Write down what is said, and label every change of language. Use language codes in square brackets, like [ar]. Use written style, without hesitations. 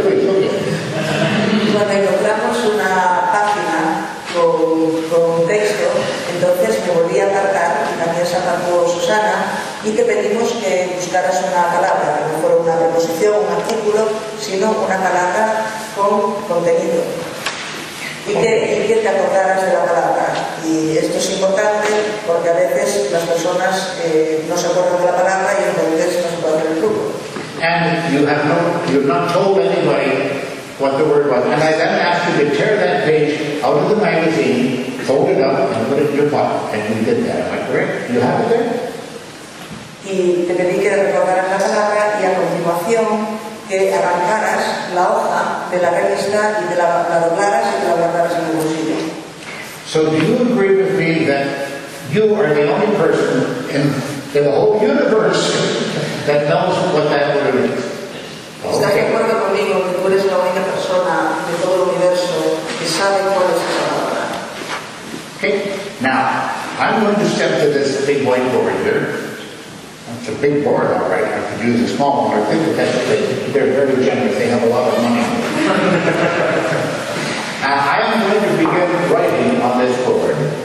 [es] cuando encontramos una página con texto, entonces me volví a apartar, y también se apartó Susana, y te pedimos que buscaras una palabra, que no fuera una preposición, un artículo, sino una palabra con contenido. Y que te acordaras de la palabra. Y esto es importante porque a veces las personas no se acuerdan de la palabra y entonces no se acuerdan del grupo. [en] And you have not told anybody what the word was. And I then asked you to tear that page out of the magazine, fold it up, and put it in your pocket. And you did that, am I correct? You have it there? [es] Y te pedí que recordaras la palabra y a continuación que arrancaras la hoja de la revista y te la doblaras y te la guardaras en el bolsillo. [en] So do you agree with me that you are the only person in the whole universe that knows what that word is? [es] ¿Estás de acuerdo conmigo que tú eres la única persona de todo el universo que sabe cuál es esa palabra? [en] Okay, now I'm going to step to this big whiteboard here. It's a big board, all right. I could use a small one. I think that's a big, they're very generous. They have a lot of money. I am going to begin writing on this board.